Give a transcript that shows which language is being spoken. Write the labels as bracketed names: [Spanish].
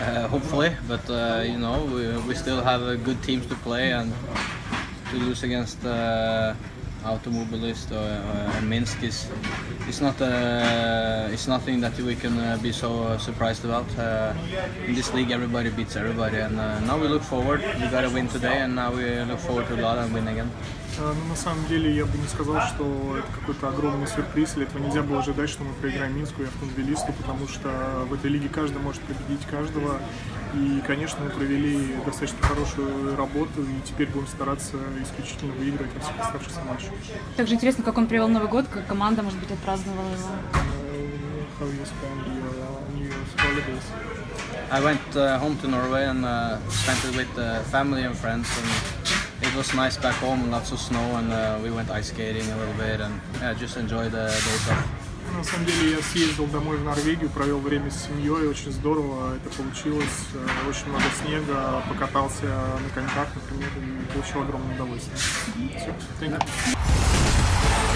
[English] Hopefully, but you know, we still have a good team to play, and to lose against Automobilist or Minsk is nothing that we can be so surprised about. In this league, everybody beats everybody, and now we look forward. We got to win today, and now we look forward to a lot and win again. [Russian] Ну, на самом деле, я бы не сказал, что это какой-то огромный сюрприз, или этого нельзя было ожидать, что мы проиграем Минску и Автомобилисту, потому что в этой лиге каждый может победить каждого. И, конечно, мы провели достаточно хорошую работу, и теперь будем стараться исключительно выиграть во всех оставшихся матчах. Также интересно, как он провел Новый год, как команда, может быть, отпраздновала его? [English] How you spend your New Year's holidays? I went home to Norway and spent it with family and friends. And it was nice back home, lots of snow, and we went ice skating a little bit, and yeah, just enjoyed the day off. [Russian] На самом деле, я съездил домой в Норвегию, провел время с семьей, очень здорово это получилось. Очень много снега, покатался на коньках, например, и получил огромное удовольствие. Все, [English] thank you.